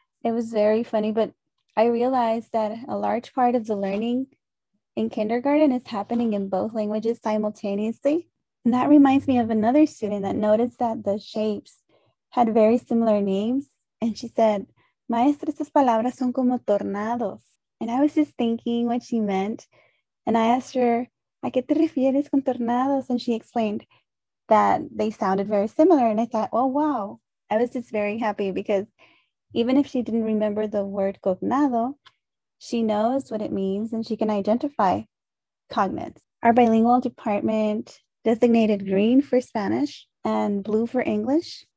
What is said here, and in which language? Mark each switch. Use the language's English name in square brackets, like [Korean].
[English] It was very funny, but I realized that a large part of the learning in kindergarten is happening in both languages simultaneously. And that reminds me of another student that noticed that the shapes had very similar names. And she said, [Spanish] Maestra, estas palabras son como tornados. [English] And I was just thinking what she meant. And I asked her, [Spanish] ¿A qué te refieres con tornados? [English] And she explained that they sounded very similar. And I thought, oh, wow. I was just very happy because even if she didn't remember the word cognado, she knows what it means and she can identify cognates. Our bilingual department designated green for Spanish and blue for English.